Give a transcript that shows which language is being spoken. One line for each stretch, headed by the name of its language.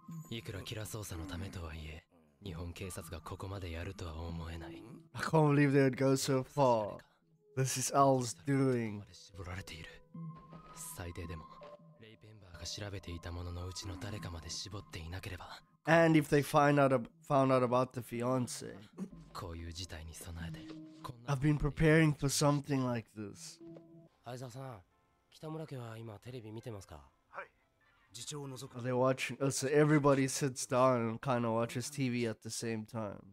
Japanese: いくら キラ 捜査のためとはいえ日本警察がここまでやるとは思えない。
English: I can't believe they would go so far. This is Al's doing.
Japanese: 絞られている。最低でも、レイペンバーが調べていたもののうちの誰かまで絞っていなければ。
English: And if they found out about the fiance.
Japanese: こういう事態に備えて。
English: I've been preparing for something like this.
Japanese: 相澤さん、北村家は今テレビ見てますか？
English: Are they watching? Oh, so everybody sits down and kind of watches TV at the same time.